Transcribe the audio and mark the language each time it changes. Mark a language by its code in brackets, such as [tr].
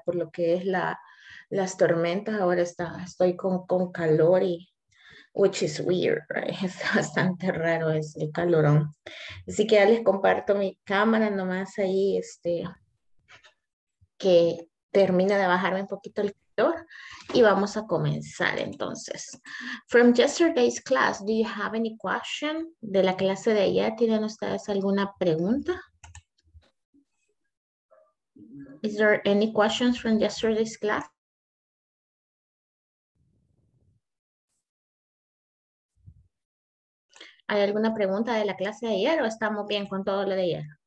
[es] Por lo que es las tormentas, ahora estoy con calor y, [en] which is weird, right? [es] Es bastante raro es el calorón. Así que ya les comparto mi cámara nomás ahí, que termine de bajarme un poquito el calor y vamos a comenzar entonces. [en] From yesterday's class, do you have any question? [es] De la clase de ayer, ¿tienen ustedes alguna pregunta? [en] Is there any questions from yesterday's class? [es] ¿Hay alguna pregunta de la clase de ayer o estamos bien con todo lo de ayer?